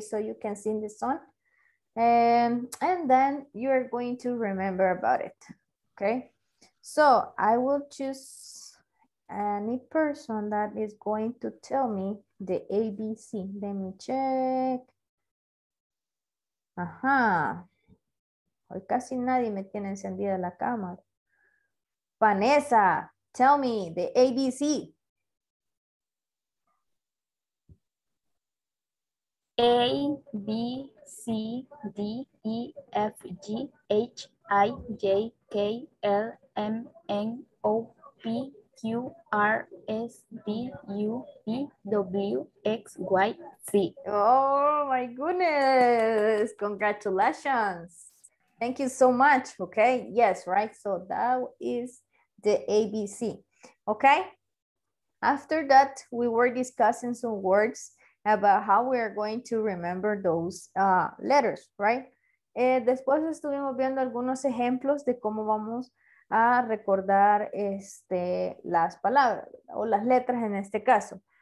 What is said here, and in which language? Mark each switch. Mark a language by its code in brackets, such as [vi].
[en] So you can sing the song, and then you're going to remember about it, okay? So I will choose any person that is going to tell me the ABC. Let me check. [es] Hoy casi nadie me tiene encendida la cámara. [en] Vanessa, tell me the ABC. A, B, C, D, E, F, G, H, I, J, K, L, M, N, O, P, Q, R, S, T, U, V, W, X, Y, Z. Oh my goodness, congratulations. Thank you so much, okay? Yes, right, so that is the ABC, okay? After that, we were discussing some words about how we are going to remember those letters, right? [es] Después estuvimos viendo algunos ejemplos de cómo vamos a recordar las palabras o las letras en este caso.